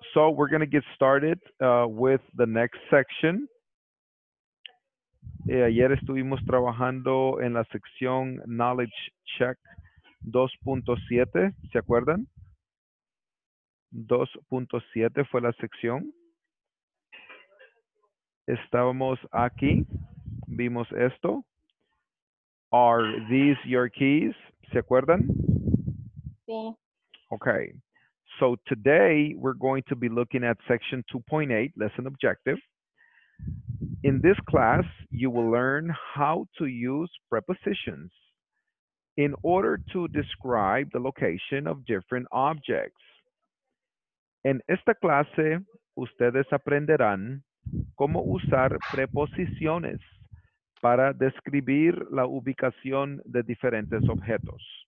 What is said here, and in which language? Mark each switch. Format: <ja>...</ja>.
<en>So we're going to get started with the next section.</en> <es>Ayer estuvimos trabajando en la sección Knowledge Check 2.7, ¿se acuerdan? 2.7 fue la sección. Estábamos aquí, vimos esto.</es> <en>Are these your keys?</en> <es>¿Se acuerdan? Sí.</es> <en>Okay. So today we're going to be looking at section 2.8, lesson objective. In this class, you will learn how to use prepositions in order to describe the location of different objects.</en> <es>En esta clase, ustedes aprenderán cómo usar preposiciones para describir la ubicación de diferentes objetos.</es>